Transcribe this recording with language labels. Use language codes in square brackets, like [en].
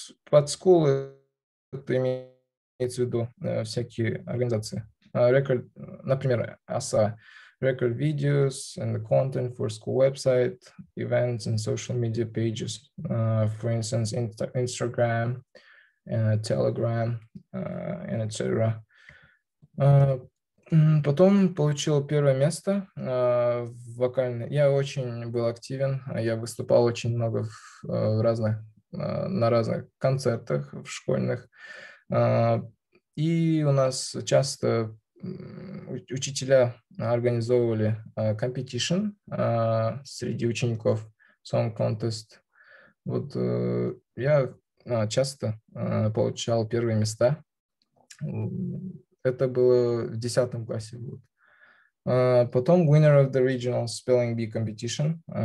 [ru] Под school это имеется в виду всякие организации. Record, например, ASA. [en] Record videos and the content for school website, events and social media pages. For instance, Instagram, Telegram, and etc. [ru] Потом получил первое место в вокальной. Я очень был активен, я выступал очень много на разных концертах в школьных. И у нас часто учителя организовывали competition среди учеников, [en] song contest. [ru] Вот я часто получал первые места. Это было в 10 классе. Потом [en] winner of the regional spelling bee competition.